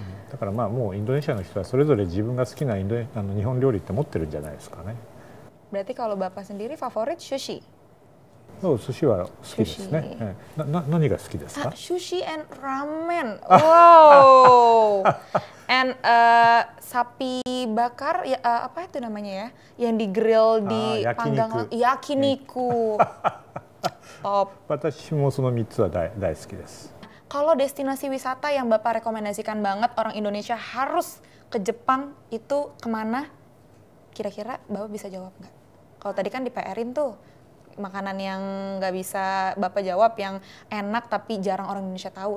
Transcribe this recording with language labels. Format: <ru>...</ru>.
<ja>だからもうインドネシアの人はそれぞれ自分が好きな日本料理って持ってるんじゃないですかね。</ja> <id>Berarti kalau Bapak sendiri favorit sushi?</id> <ja>そう、寿司は好きですね。何が好きですか？</ja> <en>Sushi and ramen. Wow!</en> <id>And sapi bakar, apa itu namanya ya? Yang di grill di panggang. Yakiniku. Top.</id> <ja>私もその3つは大好きです。</ja> <id>Kalau destinasi wisata yang Bapak rekomendasikan banget orang Indonesia harus ke Jepang, itu kemana? Kira-kira Bapak bisa jawab nggak? Kalau tadi kan di PR-in tuh makanan yang nggak bisa Bapak jawab, yang enak tapi jarang orang Indonesia tahu.</id>